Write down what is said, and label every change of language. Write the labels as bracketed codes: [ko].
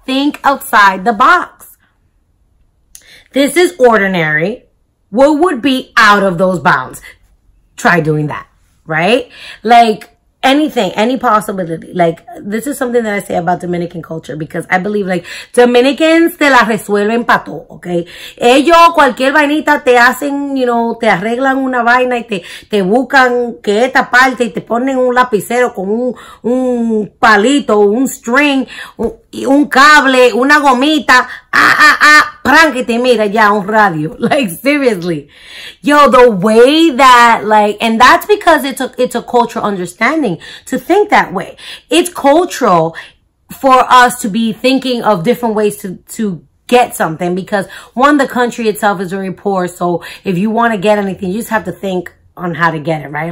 [en] Think outside the box. This is ordinary. What would be out of those bounds? Try doing that. Right? Like anything, any possibility. Like, this is something that I say about Dominican culture, because I believe, like, Dominicans [es] te la resuelven pa todo, [en] okay? [es] Ellos cualquier vainita te hacen, [en] you know, [es] te arreglan una vaina y te buscan que esta parte y te ponen un lapicero con un palito, un string, un cable, una gomita, prankete, mira, ya, un radio. [en] Like, seriously. Yo, the way that, like, and that's because it's a cultural understanding to think that way. It's cultural for us to be thinking of different ways to get something, because one, the country itself is very poor. So if you want to get anything, you just have to think on how to get it, right?